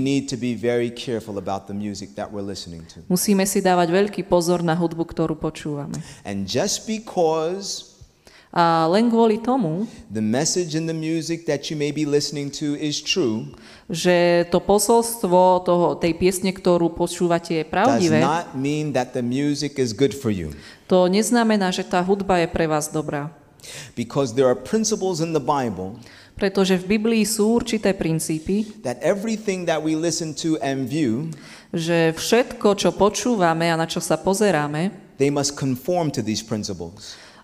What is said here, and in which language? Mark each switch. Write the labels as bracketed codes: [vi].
[en] need to be very careful about the music that we're listening to. [sk] Musíme si dávať veľký pozor na hudbu, ktorú počúvame. [en] And just because [sk] a len kvôli tomu, [en] the message in the music that you may be listening to is true, [sk] že to posolstvo tej piesne, ktorú počúvate, je pravdivé, [en] does not mean that the music is good for you. [sk] To neznamená, že tá hudba je pre vás dobrá. [en] Because there are principles in the Bible, [sk] pretože v Biblii sú určité princípy, [en] that everything that we listen to and view, [sk] že všetko, čo počúvame a na čo sa pozeráme, [en] they must conform to these principles.